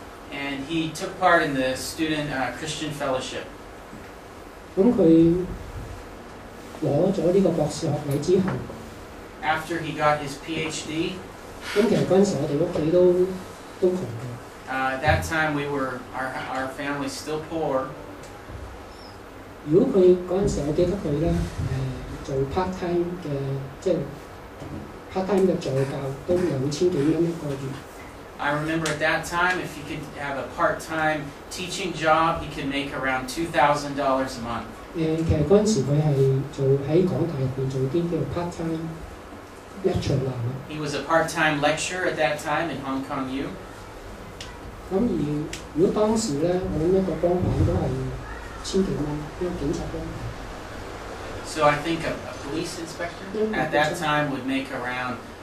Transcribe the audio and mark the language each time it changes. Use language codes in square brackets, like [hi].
[en] And he took part in the student Christian fellowship. [yue] 咁佢攞咗呢個博士學位之後。 [en] After he got his PhD. [yue] 咁其實嗰陣時我哋屋企都窮嘅。 [en] That time we were our family still poor. [yue] 如果佢嗰陣時我記得佢咧，做 part time 嘅，即係 part time 嘅助教都2000多元一個月。 [en] I remember at that time, if he could have a part-time teaching job, he could make around $2,000 a month. [yue] 其實嗰陣時佢係做喺港大入邊做啲叫 part-time lecturer。 [en] He was a part-time lecturer at that time in Hong Kong U. [yue] 咁而如果當時咧，我諗一個幫忙都係1000多元，一個警察幫忙。 [en] So I think a police inspector at that time would make around.